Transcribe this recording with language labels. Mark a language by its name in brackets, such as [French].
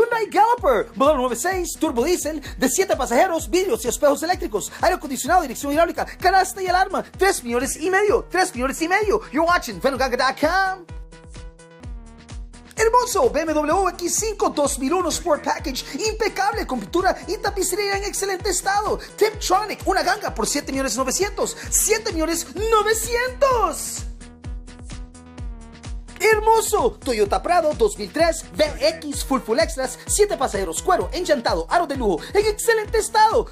[Spanish] Galloper, modelo 9.6, turbo diesel, de 7 pasajeros, vidrios y espejos eléctricos, aire acondicionado, dirección hidráulica, canasta y alarma, 3,5 millones, 3,5 millones. [English] You're watching Venuganga.com. [Spanish] Hermoso BMW X5 2001 Sport Package, impecable, con pintura y tapicería en excelente estado. Tiptronic, una ganga por 7,900,000, 7,900,000. Hermoso Toyota Prado 2003 BX, full extras, 7 pasajeros, cuero, enllantado, aro de lujo, en excelente estado.